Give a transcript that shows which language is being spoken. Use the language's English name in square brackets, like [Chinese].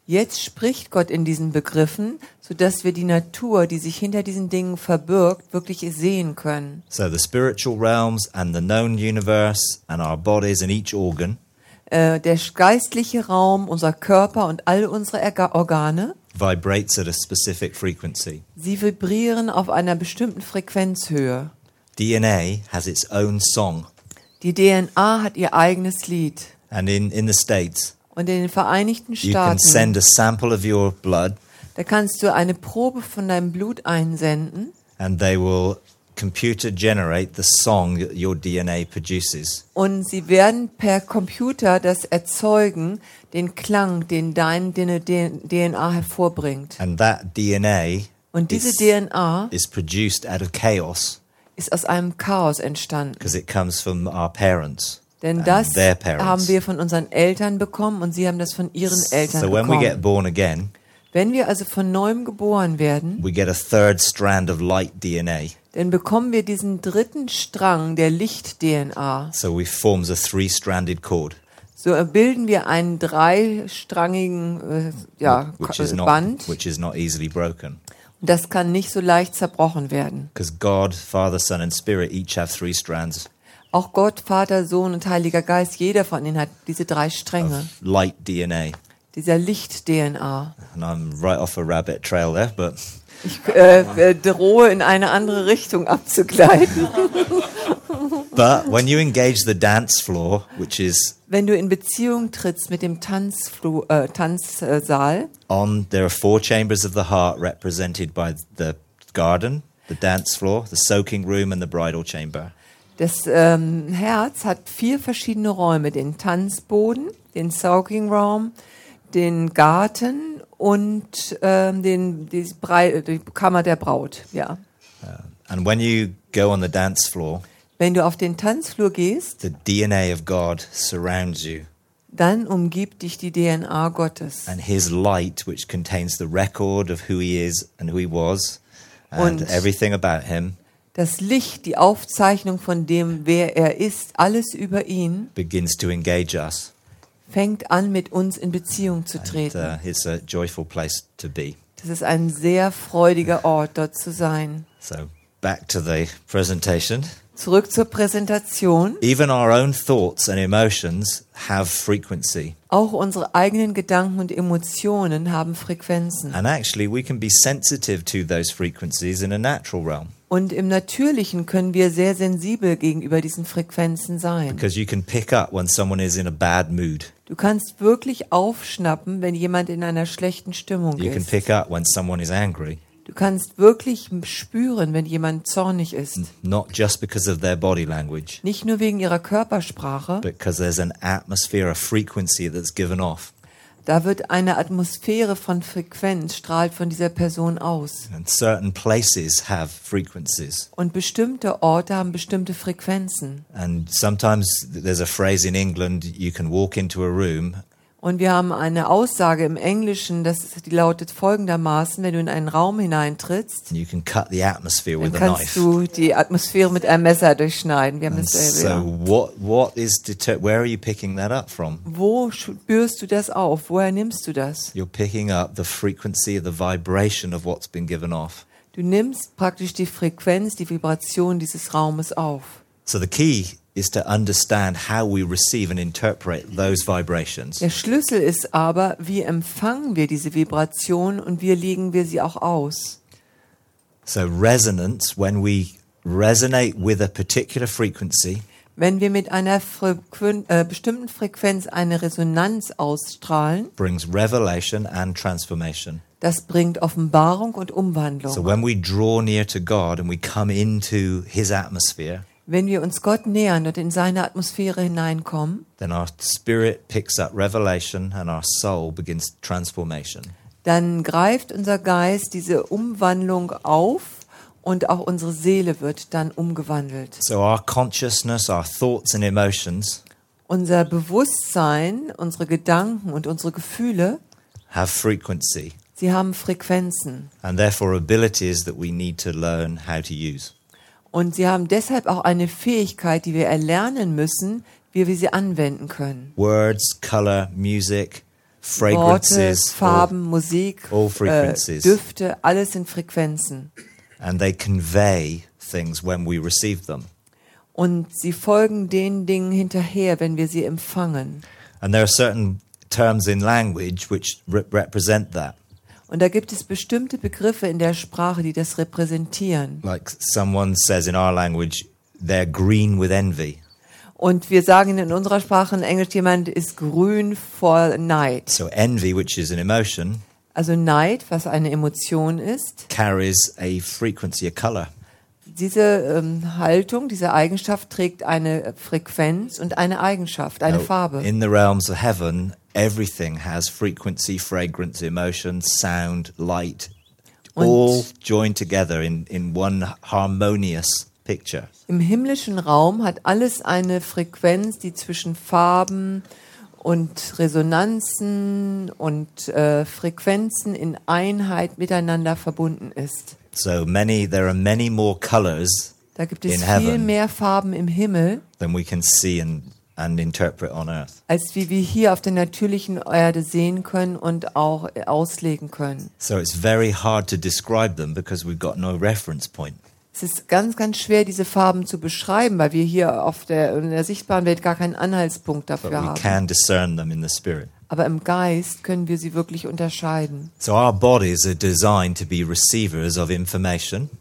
[German] Jetzt spricht Gott in diesen Begriffen, so dass wir die Natur, die sich hinter diesen Dingen verbirgt, wirklich sehen können. [English] So the spiritual realms and the known universe and our bodies and each organ. [German] Der geistliche Raum, unser Körper und all unsere Organe. [English] Vibrates at a specific frequency. [German] Sie vibrieren auf einer bestimmten Frequenzhöhe. [English] DNA has its own song. [German] Die DNA hat ihr eigenes Lied. [English] And in the States. [German] Und in den Vereinigten Staaten. [English] You can send a sample of your blood. [German] Da kannst du eine Probe von deinem Blut einsenden. [English] And they will computer generate the song that your DNA produces. [German] Und sie werden per Computer das erzeugen, den Klang, den dein DNA hervorbringt. [English] And that DNA, [German] und diese DNA [English] is produced out of chaos. [German] Ist aus einem Chaos entstanden. [English] Because it comes from our parents. [German] Denn das haben wir von unseren Eltern bekommen und sie haben das von ihren Eltern bekommen. [English] So when we get born again, [German] wenn wir also von neuem geboren werden, [English] we get a third strand of light DNA. [German] Dann bekommen wir diesen dritten Strang der Licht-DNA. [English] So we form the three-stranded cord. [German] So bilden wir einen dreistrangigen Band. [English] Which is not easily broken. [German] Und das kann nicht so leicht zerbrochen werden. [English] Because God, Father, Son and Spirit each have three strands. [German] Auch Gott, Vater, Sohn und Heiliger Geist, jeder von ihnen hat diese drei Stränge. [English] Of light DNA. [German] Dieser Licht-DNA. [English] And I'm right off a rabbit trail there, but [German] Ich drohe, in eine andere Richtung abzugleiten. [English] But when you engage the dance floor, which is [German] wenn du in Beziehung trittst mit dem Tanzsaal, [English] on there are four chambers of the heart represented by the garden, the dance floor, the soaking room and the bridal chamber. [German] Das Herz hat vier verschiedene Räume, den Tanzboden, den soaking room, den Garten und die Kammer der Braut, ja. [English] And when you go on the dance floor, [German] wenn du auf den Tanzflur gehst, [English] the DNA of God surrounds you. [German] Dann umgibt dich die DNA Gottes. [English] And his light, which contains the record of who he is and who he was and everything about him. [German] Das Licht, die Aufzeichnung von dem, wer er ist, alles über ihn, [English] begins to engage us. [German] Fängt an, mit uns in Beziehung zu treten. [English] And, it's a joyful place to be. [German] Das ist ein sehr freudiger Ort, dort zu sein. [English] So, back to the presentation. [German] Zurück zur Präsentation. [English] Even our own thoughts and emotions have frequency. [German] Auch unsere eigenen Gedanken und Emotionen haben Frequenzen. [English] And actually, we can be sensitive to those frequencies in a natural realm. [German] Und im Natürlichen können wir sehr sensibel gegenüber diesen Frequenzen sein. [English] Because you can pick up when someone is in a bad mood. [German] Du kannst wirklich aufschnappen, wenn jemand in einer schlechten Stimmung ist. [English] You can pick up when someone is angry. [German] Du kannst wirklich spüren, wenn jemand zornig ist. [English] Not just because of their body language. [German] Nicht nur wegen ihrer Körpersprache. [English] Because there's an atmosphere, a frequency that's given off. [German] Da wird eine Atmosphäre von Frequenz strahlt von dieser Person aus. [English] And certain places have frequencies. [German] Und bestimmte Orte haben bestimmte Frequenzen. [English] And sometimes there's a phrase in England, you can walk into a room. [German] Und wir haben eine Aussage im Englischen, die lautet folgendermaßen, wenn du in einen Raum hineintrittst, [English] you can cut the atmosphere with [German] dann kannst du die Atmosphäre mit einem Messer durchschneiden. Wir haben das selber, [English] so where are you picking that up from? [German] Wo spürst du das auf? Woher nimmst du das? [English] You're picking up the frequency, the vibration of what's been given off. [German] Du nimmst praktisch die Frequenz, die Vibration dieses Raumes auf. [English] So the key is to understand how we receive and interpret those vibrations. [German] Der Schlüssel ist aber, wie empfangen wir diese Vibration und wie legen wir sie auch aus? [English] So resonance, when we resonate with a particular frequency, [German] wenn wir mit einer bestimmten Frequenz eine Resonanz ausstrahlen, [English] brings revelation and transformation. [German] Das bringt Offenbarung und Umwandlung. [English] So when we draw near to God and we come into his atmosphere, [German] wenn wir uns Gott nähern und in seine Atmosphäre hineinkommen, [English] then our spirit picks up revelation and our soul begins transformation. [German] Dann greift unser Geist diese Umwandlung auf und auch unsere Seele wird dann umgewandelt. [English] So our consciousness, our thoughts and emotions, [German] unser Bewusstsein, unsere Gedanken und unsere Gefühle [English] have frequency. [German] Sie haben Frequenzen. [English] And therefore abilities that we need to learn how to use. [German] Und sie haben deshalb auch eine Fähigkeit, die wir erlernen müssen, wie wir sie anwenden können. [English] Words, color, music, fragrances, [German] Worte, Farben, all, Musik, [English] all frequencies. [German] Düfte, alles sind Frequenzen. [English] And they convey things when we receive them. [German] Und sie folgen den Dingen hinterher, wenn wir sie empfangen. [English] And there are certain terms in language which represent that. [German] Und da gibt es bestimmte Begriffe in der Sprache, die das repräsentieren. [English] Like someone says in our language, they're green with envy. [German] Und wir sagen in unserer Sprache in Englisch, jemand ist grün vor Neid. [English] So envy, which is an emotion, [German] also Neid, was eine Emotion ist, [English] carries a frequency, a color. [German] Diese Haltung, diese Eigenschaft trägt eine Frequenz und eine Eigenschaft, eine Farbe. [English] In the realms of heaven, everything has frequency, fragrance, emotion, sound, light, [German] und [English] all joined together in one harmonious picture. [German] Im himmlischen Raum hat alles eine Frequenz, die zwischen Farben und Resonanzen und Frequenzen in Einheit miteinander verbunden ist. [English] So many, there are many more colors [German] da gibt es in viel heaven mehr Farben im Himmel [English] than we can see and interpret on earth. [German] Als wie wir hier auf der natürlichen Erde sehen können und auch auslegen können. [English] So it's very hard to describe them because we've got no reference point. [German] Es ist ganz, ganz schwer, diese Farben zu beschreiben, weil wir hier auf der, in der sichtbaren Welt gar keinen Anhaltspunkt dafür haben. [English] But we can discern them in the spirit. [German] Aber im Geist können wir sie wirklich unterscheiden. [English] So our bodies are designed to be receivers of information.